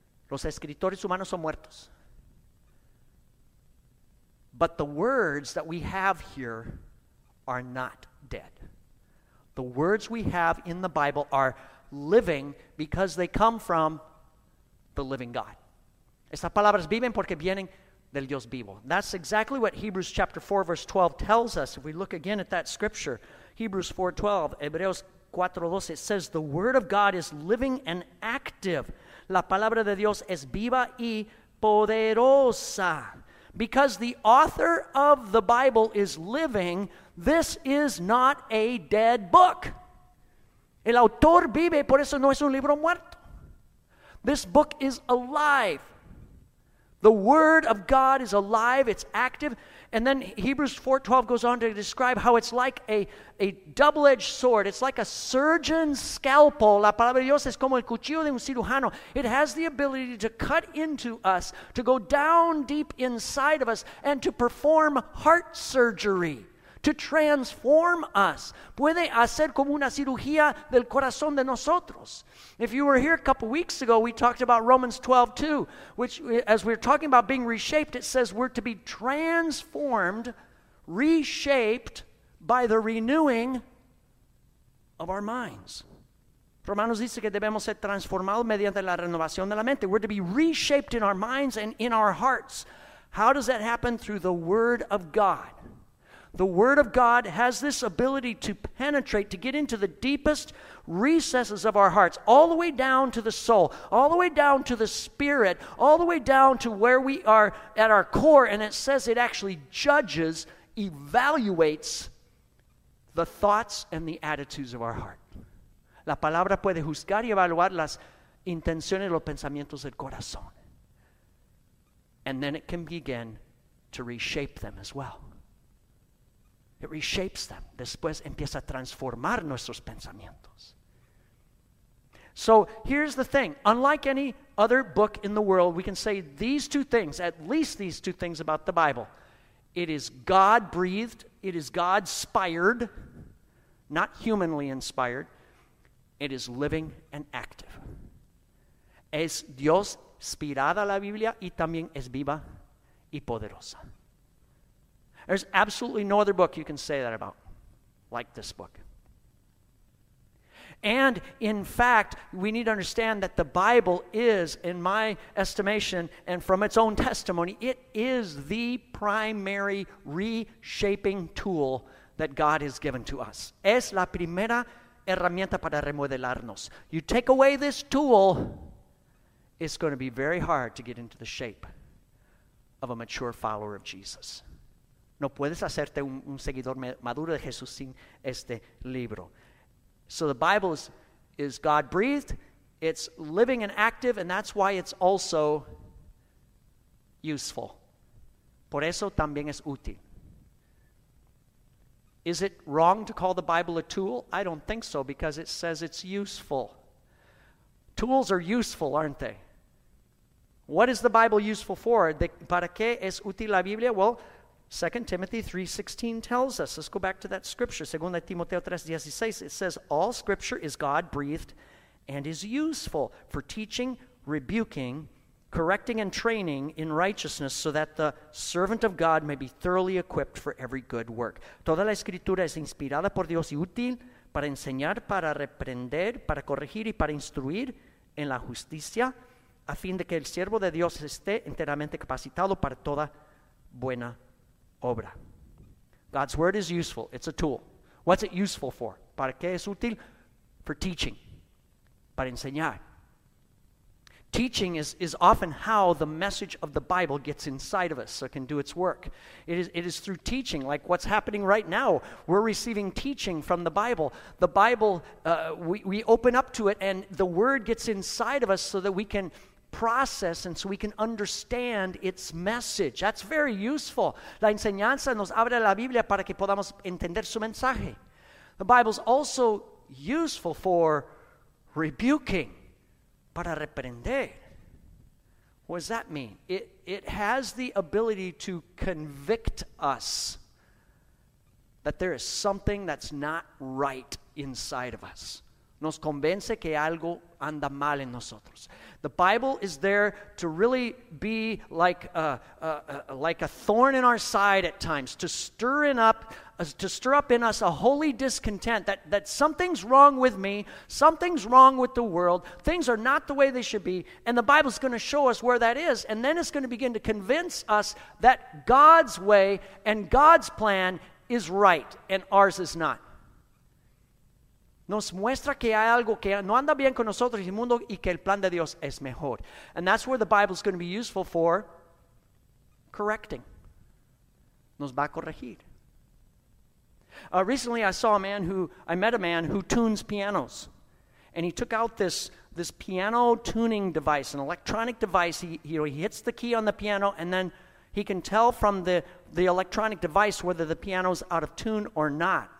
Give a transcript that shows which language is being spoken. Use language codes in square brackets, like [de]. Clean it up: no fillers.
[es] Los escritores humanos son muertos. [en] But the words that we have here are not dead. The words we have in the Bible are living because they come from the living God. [es] Estas palabras viven porque vienen del Dios vivo. [en] That's exactly what Hebrews chapter 4 verse 12 tells us. If we look again at that scripture, Hebrews 4:12, Hebreos 4:12, it says the word of God is living and active. [es] La palabra de Dios es viva y poderosa. [en] Because the author of the Bible is living, this is not a dead book. [es] El autor vive, por eso no es un libro muerto. [en] This book is alive. The word of God is alive, it's active. And then Hebrews 4:12 goes on to describe how it's like a double-edged sword. It's like a surgeon's scalpel. [es] La palabra de Dios es como el cuchillo de un cirujano. [en] It has the ability to cut into us, to go down deep inside of us, and to perform heart surgery, to transform us. [es] Puede hacer como una cirugía del corazón de nosotros. [en] If you were here a couple weeks ago, we talked about Romans 12:2, which as we're talking about being reshaped, it says we're to be transformed, reshaped by the renewing of our minds. [es] Romanos dice que debemos ser transformados mediante la renovación de la mente. [en] We're to be reshaped in our minds and in our hearts. How does that happen? Through the Word of God. The Word of God has this ability to penetrate, to get into the deepest recesses of our hearts, all the way down to the soul, all the way down to the spirit, all the way down to where we are at our core. And it says it actually judges, evaluates the thoughts and the attitudes of our heart. [es] La palabra puede juzgar y evaluar las intenciones y los pensamientos del corazón. [en] And then it can begin to reshape them as well. It reshapes them. [es] Después empieza a transformar nuestros pensamientos. [en] So here's the thing. Unlike any other book in the world, we can say these two things, at least these two things about the Bible. It is God-breathed. It is God-inspired, not humanly inspired. It is living and active. [es] Es Dios inspirada la Biblia y también es viva y poderosa. [en] There's absolutely no other book you can say that about like this book. And in fact, we need to understand that the Bible is, in my estimation, and from its own testimony, it is the primary reshaping tool that God has given to us. [es] Es la primera herramienta para remodelarnos. [en] You take away this tool, it's going to be very hard to get into the shape of a mature follower of Jesus. [es] No puedes hacerte un seguidor maduro de Jesús sin este libro. [en] So the Bible is God-breathed. It's living and active, and that's why it's also useful. [es] Por eso también es útil. [en] Is it wrong to call the Bible a tool? I don't think so, because it says it's useful. Tools are useful, aren't they? What is the Bible useful for? [es] ¿Para qué es útil la Biblia? [en] Well, 2 Timothy 3:16 tells us. Let's go back to that scripture. 2 Timoteo 3:16, it says, all scripture is God-breathed and is useful for teaching, rebuking, correcting, and training in righteousness so that the servant of God may be thoroughly equipped for every good work. [es] Toda la escritura es inspirada por Dios y útil para enseñar, para reprender, para corregir y para instruir en la justicia a fin de que el siervo de Dios esté enteramente capacitado para toda buena obra. [en] God's word is useful. It's a tool. What's it useful for? [es] ¿Para qué es útil? [en] For teaching. [es] Para enseñar. [en] Teaching is often how the message of the Bible gets inside of us so it can do its work. It is through teaching, like what's happening right now. We're receiving teaching from the Bible. The Bible, we open up to it and the word gets inside of us so that we can process and so we can understand its message. That's very useful. [es] La enseñanza nos abre la Biblia para que podamos entender su mensaje. [en] The Bible's also useful for rebuking, [es] para reprender. [en] What does that mean? It has the ability to convict us that there is something that's not right inside of us. [es] Nos convence que algo anda mal en nosotros. [en] The Bible is there to really be like a thorn in our side at times, to stir up in us a holy discontent that something's wrong with me, something's wrong with the world, things are not the way they should be, and the Bible's going to show us where that is, and then it's going to begin to convince us that God's way and God's plan is right and ours is not. [es] Nos muestra que hay algo que no anda bien con nosotros y el mundo y que el plan de Dios es mejor. [en] And that's where the Bible is going to be useful for correcting. [es] Nos va a corregir. [en] Recently I met a man who tunes pianos. And he took out this this piano tuning device, an electronic device. He hits the key on the piano, and then he can tell from the electronic device whether the piano's out of tune or not.